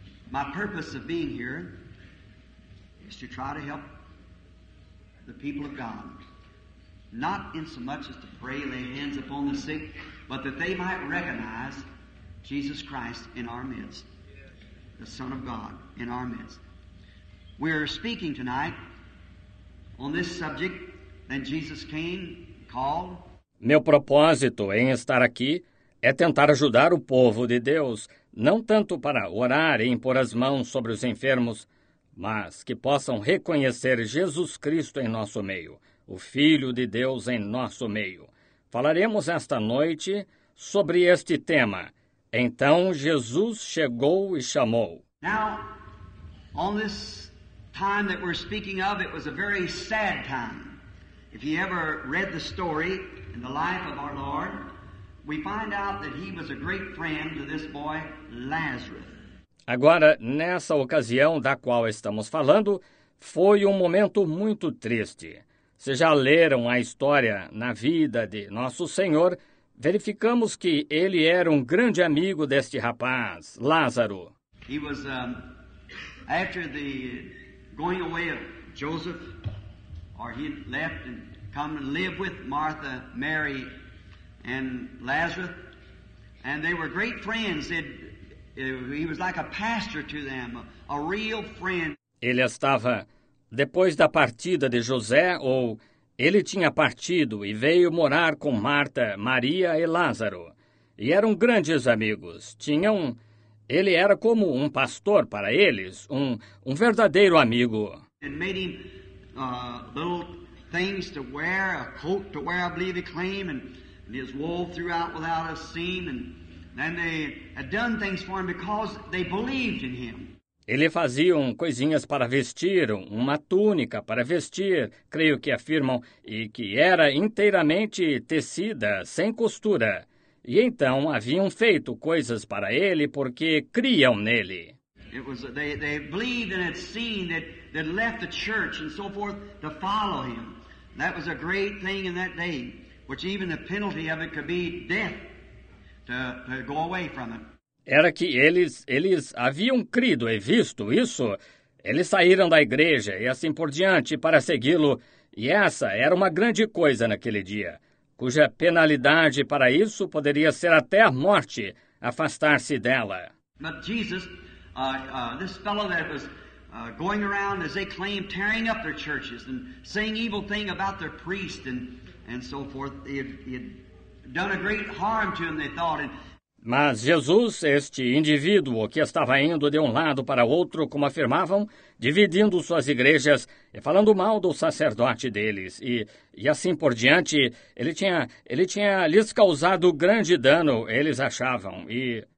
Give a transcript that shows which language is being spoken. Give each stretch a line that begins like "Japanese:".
English: My purpose of being here is to try to help the people of God, not in so much as to pray, lay hands upon the sick, but that they might recognize Jesus Christ in our midst, the Son of God in our midst. We're speaking tonight on this subject, then Jesus came, called.
Portuguese: Meu propósito em estar aqui é tentar ajudar o povo de Deus, não tanto para orar e impor as mãos sobre os enfermos, mas que possam reconhecer Jesus Cristo em nosso meio, o Filho de Deus em nosso meio. Falaremos esta noite sobre este tema. Então Jesus chegou e chamou.
English: Now, on this time that we're speaking of, it was a very sad time. If you ever read the story in the life of our Lord, we find out that he was a great friend to this boy, Lazarus.
Portuguese: Agora, nessa ocasião da qual estamos falando, Foi um momento muito triste. Se já leram a história na vida de nosso Senhor, verificamos que ele era um grande amigo deste rapaz, Lázaro.
English: He was after the going away of Joseph, or he left and come and live with Martha, Mary, and Lazarus, and they were great friends. He was like a pastor to them, a real friend.
Portuguese: Ele estava depois da partida de José, ou ele tinha partido e veio morar com Marta, Maria e Lázaro. E eram grandes amigos. Ele era como um pastor para eles, um verdadeiro amigo.
English: And made him little things to wear, a coat to wear, I believe he claimed, and his wool throughout without a seam. And they had done things for him because they believed in him.
Portuguese: Ele fazia coisinhas para vestir, uma túnica para vestir, creio que afirmam, e que era inteiramente tecida, sem costura. E então haviam feito coisas para ele porque criam nele.
English: It was they believed and had seen that left the church and so forth to follow him. That was a great thing in that day, which even the penalty of it could be death to go away from it.
Portuguese: Era que eles haviam crido e visto isso. Eles saíram da igreja e assim por diante para segui-lo. E essa era uma grande coisa naquele dia, cuja penalidade para isso poderia ser até a morte, afastar-se dela.
English: But Jesus, this fellow that was going around, as they claim, tearing up their churches and saying evil things about their priests and so forth, he had done a great harm to them, they thought.
Portuguese: Mas Jesus, este indivíduo que estava indo de um lado para outro, como afirmavam, dividindo suas igrejas e falando mal do sacerdote deles, e assim por diante, ele tinha lhes causado grande dano, eles achavam, e...